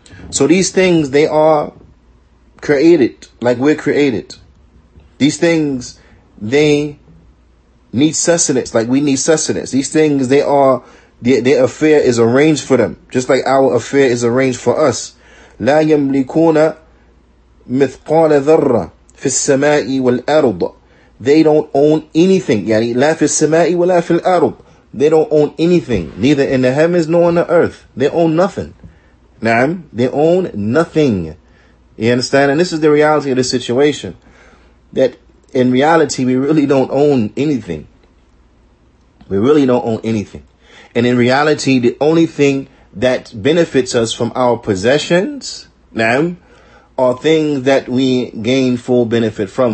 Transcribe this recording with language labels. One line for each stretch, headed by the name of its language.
English: So these things, they are created like we're created. These things, they need sustenance, like we need sustenance. These things, they are, their affair is arranged for them, just like our affair is arranged for us.
Arabic: لا يملكون مثقال ذرة في السماء والأرض.
English: They don't own anything.
Arabic: يعني لا في السماء ولا في الأرض.
English: They don't own anything, neither in the heavens nor on the earth. They own nothing. نعم, they own nothing. You understand? And this is the reality of the situation, that in reality, we really don't own anything. We really don't own anything. And in reality, the only thing that benefits us from our possessions, na'am, are things that we gain full benefit from.